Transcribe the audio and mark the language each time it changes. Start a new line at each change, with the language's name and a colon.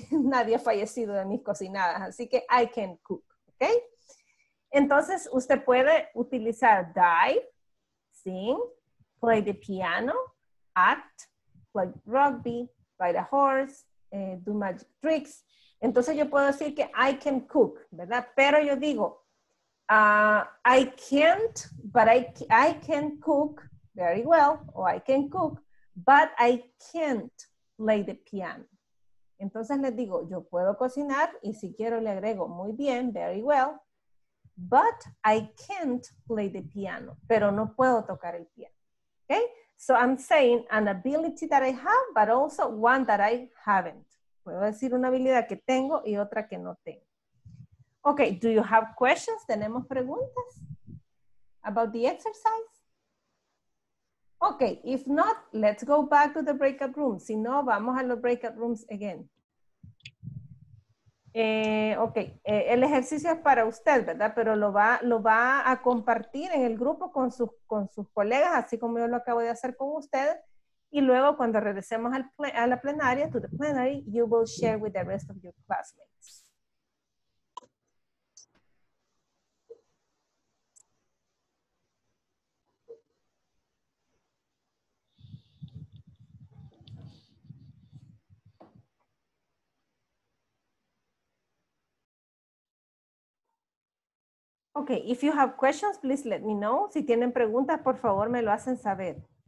Spanish: Nadie ha fallecido de mis cocinadas, así que
English: I can cook,
Spanish: ¿ok? Entonces, usted puede utilizar
English: dive, sing, play the piano, act, play rugby, ride a horse, do magic tricks.
Spanish: Entonces, yo puedo decir que
English: I can cook,
Spanish: ¿verdad? Pero yo digo,
English: I can't, but I can cook very well, or I can cook, but I can't play the piano.
Spanish: Entonces, les digo, yo puedo cocinar, y si quiero le agrego, muy bien,
English: very well. But I can't play the piano.
Spanish: Pero no puedo tocar el piano.
English: Okay? So I'm saying an ability that I have, but also one that I haven't.
Spanish: Puedo decir una habilidad que tengo y otra que no tengo.
English: Okay, do you have questions?
Spanish: ¿Tenemos preguntas?
English: About the exercise? Okay, if not, let's go back to the breakout rooms.
Spanish: Si no, vamos a los breakout rooms again. El ejercicio es para usted, ¿verdad? Pero lo va a compartir en el grupo con sus colegas, así como yo lo acabo de hacer con usted. Y luego cuando regresemos a la plenaria,
English: to the plenary, you will share with the rest of your classmates. Okay, if you have questions, please let me know.
Spanish: Si tienen preguntas, por favor, me lo hacen saber.